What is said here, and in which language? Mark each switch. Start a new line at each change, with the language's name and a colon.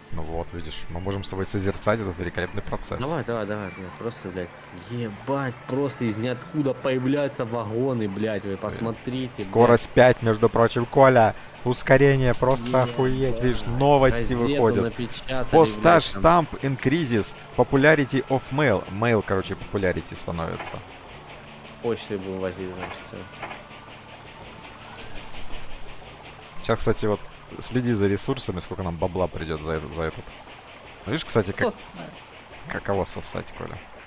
Russian: Ну, вот, видишь, мы можем с тобой созерцать этот великолепный процесс. Давай, блядь, просто, блядь, ебать, просто из ниоткуда появляются вагоны, блядь, вы посмотрите, блядь. Скорость 5, между прочим, Коля, ускорение просто охуеть, видишь, новости выходят.
English: Postage stamp increases, popularity of mail.
Russian: Mail, короче, popularity становится. Почтой будем возить, значит, все. Сейчас, кстати, вот следи за ресурсами, сколько нам бабла придет за этот. Видишь, кстати, каково сосать, Коля?